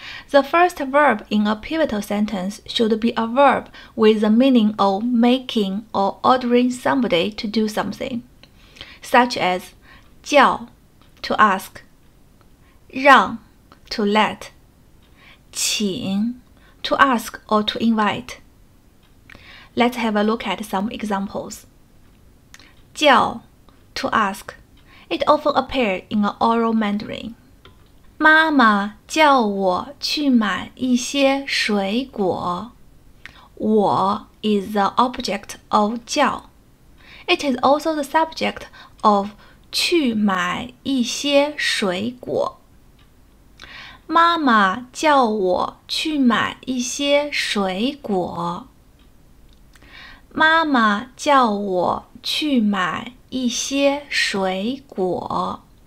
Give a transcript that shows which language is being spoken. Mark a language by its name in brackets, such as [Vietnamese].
[English] The first verb in a pivotal sentence should be a verb with the meaning of making or ordering somebody to do something, such as 叫, to ask, 让, to let, 请, to ask or to invite. Let's have a look at some examples. 叫, to ask, it often appears in an oral Mandarin. [Chinese] 妈妈叫我去买一些水果。 [English] 我 is the object of 叫。 It is also the subject of [Chinese] 去买一些水果。妈妈叫我去买一些水果。妈妈叫我去买一些水果。